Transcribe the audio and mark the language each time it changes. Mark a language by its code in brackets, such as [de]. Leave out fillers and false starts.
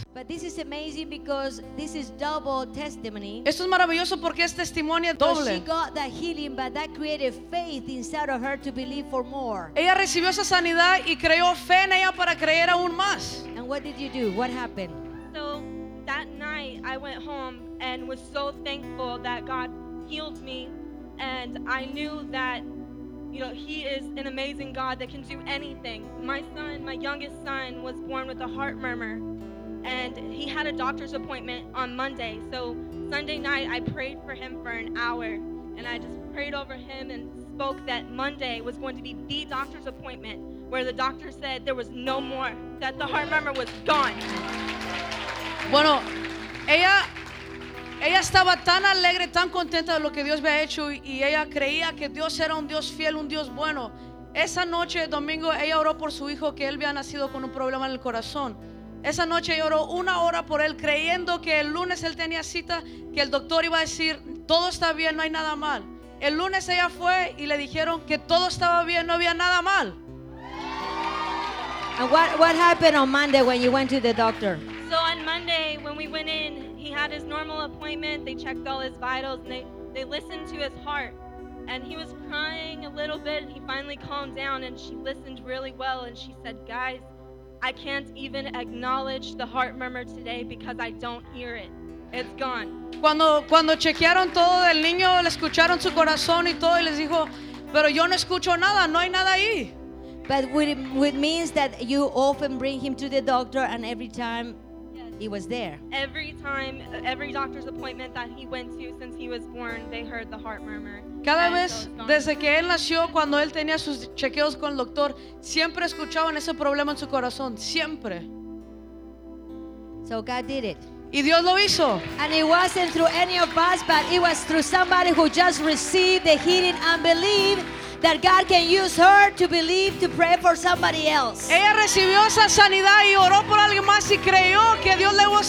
[en] But this is amazing because this is double testimony. [es] Esto es maravilloso porque es testimonio doble. [en] She got that healing, but that created faith inside of her to believe for more. [es] Ella recibió esa sanidad y creó fe en ella para creer aún más. [en] And what did you do? What happened? So that night I went home and was so thankful that God healed me, and I knew that, you know, He is an amazing God that can do anything. My son, my youngest son, was born with a heart murmur, and he had a doctor's appointment on Monday. So Sunday night, I prayed for him for an hour, and I just prayed over him and spoke that Monday was going to be the doctor's appointment, where the doctor said there was no more, that the heart murmur was gone. [es] Bueno, ella estaba tan alegre, tan contenta de lo que Dios había hecho, y ella creía que Dios era un Dios fiel, un Dios bueno. Esa noche, domingo, ella oró por su hijo, que él había nacido con un problema en el corazón. Esa noche ella oró una hora por él, creyendo que el lunes él tenía cita, que el doctor iba a decir todo está bien, no hay nada mal. El lunes ella fue y le dijeron que todo estaba bien, no había nada mal. [en] And what happened on Monday when you went to the doctor? So on Monday when we went in, he had his normal appointment. They checked all his vitals and they listened to his heart, and he was crying a little bit. He finally calmed down and she listened really well, and she said, "Guys, I can't even acknowledge the heart murmur today because I don't hear it. It's gone." [es] Cuando chequearon todo del niño, le escucharon su corazón y todo, y les dijo, "Pero yo no escucho nada, no hay nada ahí." [en] But it means that you often bring him to the doctor, and every time, yes, he was there. Every time, every doctor's appointment that he went to since he was born, they heard the heart murmur. [es] Cada vez desde que él nació, cuando él tenía sus chequeos con el doctor, siempre escuchaban ese problema en su corazón, siempre. [en] So God did it. [es] Y Dios lo hizo. [en] And it wasn't through any of us, but it was through somebody who just received the healing and believed that God can use her to believe to pray for somebody else. [es] Ella recibió esa sanidad y oró por alguien más y creyó que Dios le